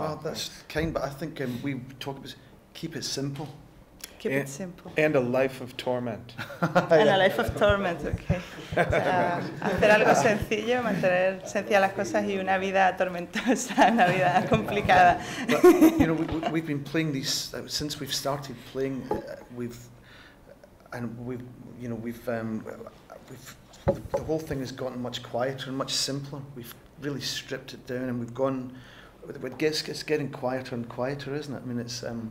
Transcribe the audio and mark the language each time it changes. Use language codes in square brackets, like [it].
[en] Well, that's kind, but I think we talk about keep it simple. Keep it simple. And a life of torment. And a life of torment, okay. [es] Hacer algo sencillo, mantener sencillas las cosas y una vida tormentosa, una vida complicada. [en] But, you know, we've been playing these, since we've started playing, the whole thing has gotten much quieter and much simpler. We've really stripped it down and we've gone, it's getting quieter and quieter, isn't it? I mean, it's...